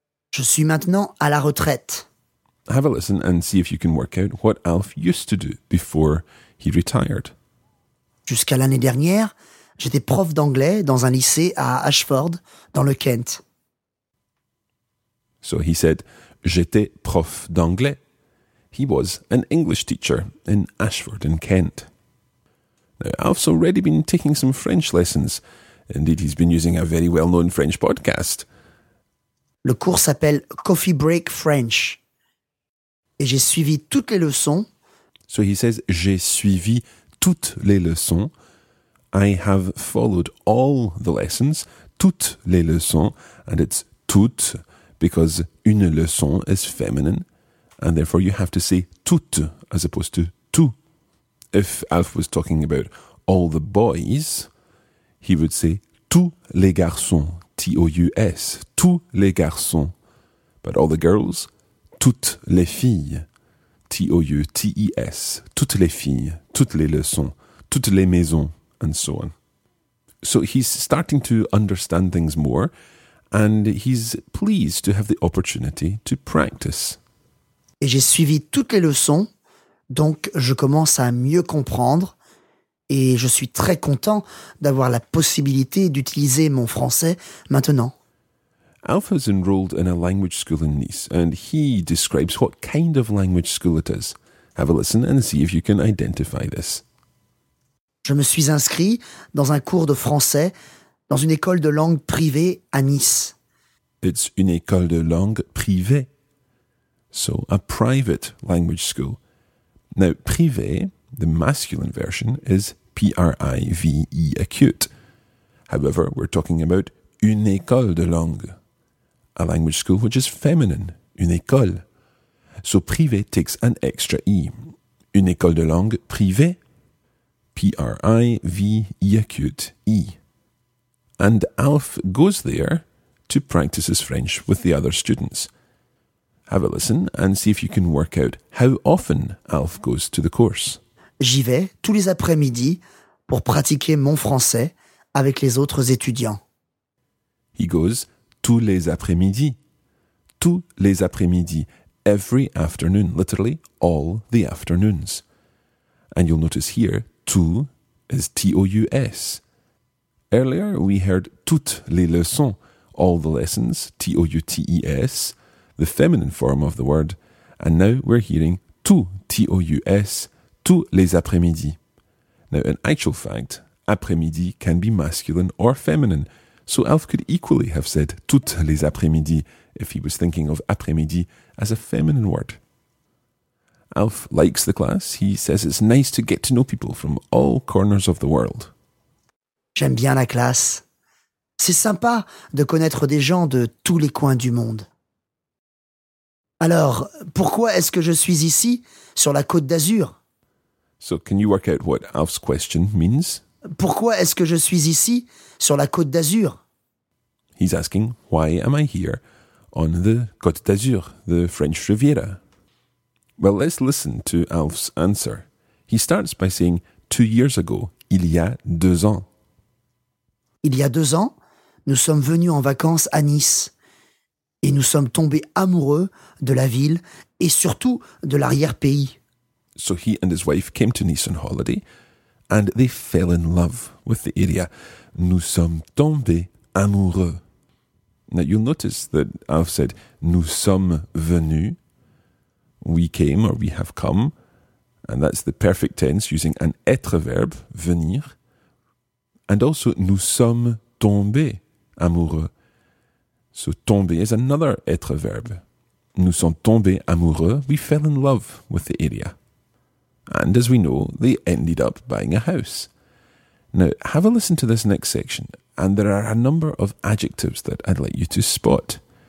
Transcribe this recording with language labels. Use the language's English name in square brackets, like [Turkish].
[French] Je suis maintenant à la retraite. [English] Have a listen and see if you can work out what Alf used to do before he retired. [French] Jusqu'à l'année dernière, j'étais prof d'anglais dans un lycée à Ashford, dans le Kent. [English] So he said, [French] j'étais prof d'anglais. [English] He was an English teacher in Ashford in Kent. Now, Alf's already been taking some French lessons. Indeed, he's been using a very well-known French podcast. [French] Le cours s'appelle Coffee Break French. Et j'ai suivi toutes les leçons. [English] So he says, [French] j'ai suivi toutes les leçons. [English] I have followed all the lessons, [French] toutes les leçons. [English] And it's toutes, because [French] une leçon [English] is feminine. And therefore you have to say toutes as opposed to tout. If Alf was talking about all the boys, he would say [French] tous les garçons, [English] T-O-U-S, tous les garçons. But all the girls, [French] toutes les filles, [English] T-O-U-T-E-S, toutes les filles, [French] toutes les leçons, toutes les maisons, [English] and so on. So he's starting to understand things more, and he's pleased to have the opportunity to practice. [French] Et j'ai suivi toutes les leçons, donc je commence à mieux comprendre et je suis très content d'avoir la possibilité d'utiliser mon français maintenant. [English] Alf has enrolled in a language school in Nice and he describes what kind of language school it is. Have a listen and see if you can identify this. [French] Je me suis inscrit dans un cours de français dans une école de langue privée à Nice. [English] It's [French] une école de langue privée. [English] So, a private language school. Now, privé, the masculine version, is P-R-I-V-E, acute. However, we're talking about [French] une école de langue, [English] a language school which is feminine, [French] une école. [English] So, privé takes an extra E. [French] Une école de langue privée, [English] P-R-I-V-E, acute, E. And Alf goes there to practice his French with the other students. Have a listen and see if you can work out how often Alf goes to the course. [French] J'y vais tous les après-midi pour pratiquer mon français avec les autres étudiants. [English] He goes [French] tous les après-midi. Tous les après-midi. [English] Every afternoon. Literally, all the afternoons. And you'll notice here, tout is T-O-U-S. Earlier, we heard [French] toutes les leçons. [English] All the lessons, T-O-U-T-E-S. The feminine form of the word, and now we're hearing tout, T-O-U-S, [French] tous les après-midi. [English] Now, in actual fact, après-midi can be masculine or feminine, so Alf could equally have said [French] toutes les après-midi [English] if he was thinking of après-midi as a feminine word. Alf likes the class. He says it's nice to get to know people from all corners of the world. [French] J'aime bien la classe. C'est sympa de connaître des gens de tous les coins du monde. Alors, pourquoi est-ce que je suis ici, sur la Côte d'Azur? [English] So, can you work out what Alf's question means? [French] Pourquoi est-ce que je suis ici, sur la Côte d'Azur? [English] He's asking, why am I here on the Côte d'Azur, the French Riviera? Well, let's listen to Alf's answer. He starts by saying, 2 years ago, [French] il y a deux ans. Il y a deux ans, nous sommes venus en vacances à Nice. Et nous sommes tombés amoureux de la ville et surtout de l'arrière-pays. [English] So he and his wife came to Nice on holiday and they fell in love with the area. [French] Nous sommes tombés amoureux. [English] Now you'll notice that Alf said, [French] nous sommes venus. [English] We came or we have come. And that's the perfect tense using an être verb, venir. And also, [French] nous sommes tombés amoureux. [English] So tomber is another être verb. [French] Nous sommes tombés amoureux. [English] We fell in love with the area. And as we know, they ended up buying a house. Now, have a listen to this next section. And there are a number of adjectives that I'd like you to spot.